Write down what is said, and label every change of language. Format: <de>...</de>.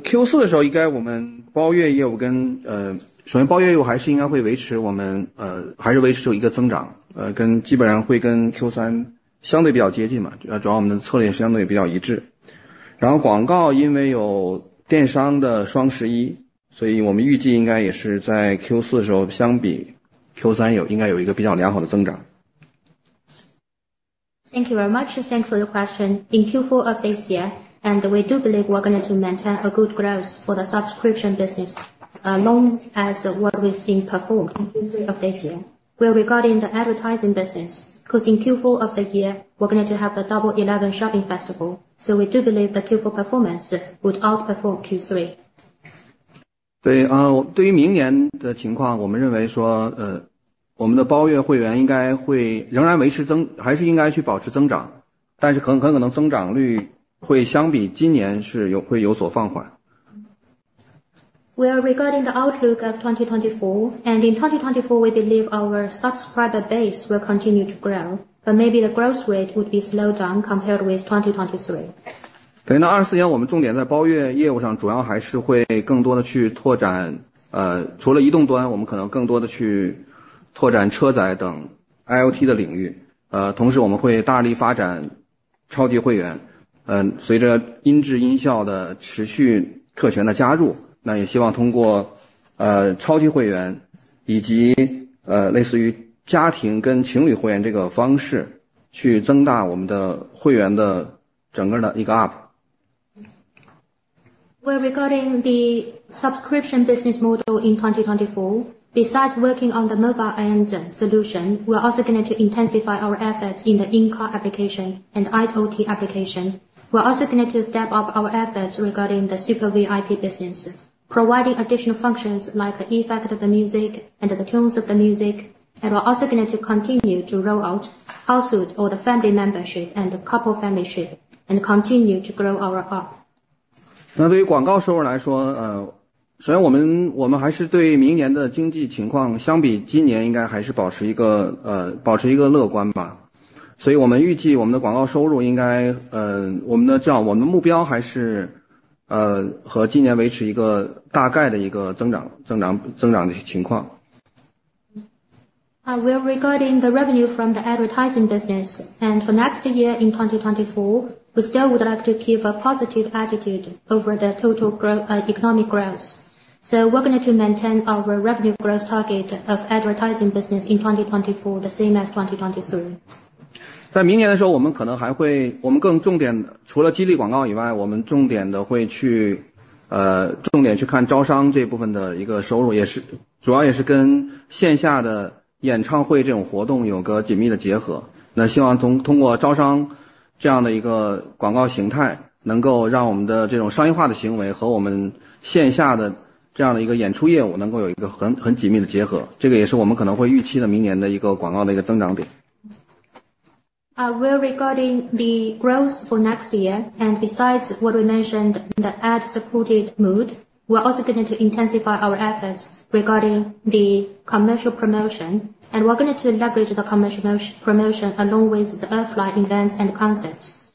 <zh>Q4 的时候，应该我们包月业务跟首先包月业务还是应该会维持我们还是维持有一个增长，跟基本上会跟 Q3 相对比较接近嘛，主要我们的策略相对比较一致。然后广告因为有电商的双十一，所以我们预计应该也是在 Q4 的时候相比 Q3 应该有一个比较良好的增长。</zh> <en>Thank you very much. Thanks for the question. In Q4 of this year, and we do believe we're going to maintain a good growth for the subscription business, along as what we've seen performed in Q3 of this year. Well, regarding the advertising business, because in Q4 of the year, we're going to have the Double 11 shopping festival, so we do believe the Q4 performance would outperform Q3.</en> <zh>对，对于明年的情况，我们认为说，我们的包月会员应该会仍然维持增，还是应该去保持增长，但是很可能增长率会相比今年是会有所放缓。</zh> <en>Well, regarding the outlook of 2024, and in 2024, we believe our subscriber base will continue to grow, but maybe the growth rate would be slowed down compared with 2023.</en> <zh>对，那24年我们重点在包月业务上，主要还是会更多的去拓展，除了移动端，我们可能更多的去拓展车载等 IoT 的领域，同时我们会大力发展超级会员，随着音质音效的持续特权的加入，那也希望通过超级会员以及类似于家庭跟情侣会员这个方式去增大我们的会员的整个的一个 up。</zh> <en>Well, regarding the subscription business model in 2024, besides working on the mobile end solution, we're also going to intensify our efforts in the in-car application and IoT application. We're also going to step up our efforts regarding the super VIP business. providing additional functions like the effect of the music and the tones of the music. And we're also going to continue to roll out household or the family membership and the couple membership and continue to grow our app.</en> <zh>那对于广告收入来说，首先我们还是对明年的经济情况相比今年应该还是保持一个乐观吧。所以我们预计我们的广告收入应该我们的目标还是和今年维持一个大概的一个增长的情况。</zh> <en>Well, regarding the revenue from the advertising business, and for next year in 2024, we still would like to keep a positive attitude over the total economic growth. So we're going to maintain our revenue growth target of advertising business in 2024, the same as 2023.</en> <zh>在明年的时候，我们更重点，除了激励广告以外，我们重点的会去重点去看招商这部分的一个收入，也是跟线下的演唱会这种活动有个紧密的结合，那希望通过招商这样的一个广告形态，能够让我们的这种商业化的行为和我们线下的这样的一个演出业务能够有一个很紧密的结合，这个也是我们可能会预期的明年的一个广告的一个增长点。</zh> <en>Well, regarding the growth for next year, and besides what we mentioned, the ad-supported mood,We're also going to intensify our efforts regarding the commercial promotion, and we're going to leverage the commercial promotion along with the offline events and concerts.</en>